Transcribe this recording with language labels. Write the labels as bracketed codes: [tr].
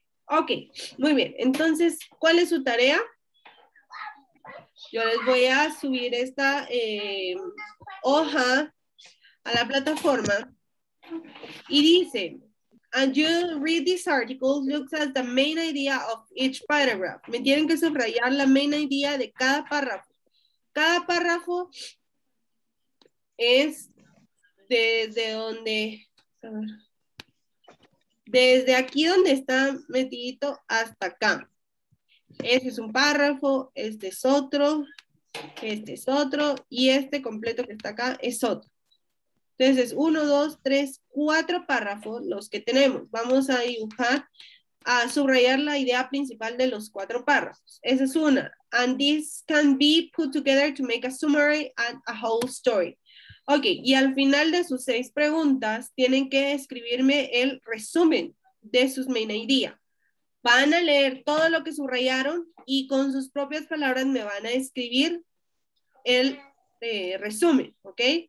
[es] Ok, muy bien. Entonces, ¿cuál es su tarea? Yo les voy a subir esta hoja a la plataforma y dice... [en] And you read this article, looks at the main idea of each paragraph. [es] Me tienen que subrayar la main idea de cada párrafo. Cada párrafo es desde donde, desde aquí donde está metidito hasta acá. Este es un párrafo, este es otro, y este completo que está acá es otro. Entonces, 1, 2, 3, 4 párrafos los que tenemos. Vamos a dibujar, a subrayar la idea principal de los 4 párrafos. Esa es una. [en] And this can be put together to make a summary and a whole story. [es] Ok, y al final de sus 6 preguntas, tienen que escribirme el resumen de sus main idea. Van a leer todo lo que subrayaron y con sus propias palabras me van a escribir el resumen. Ok.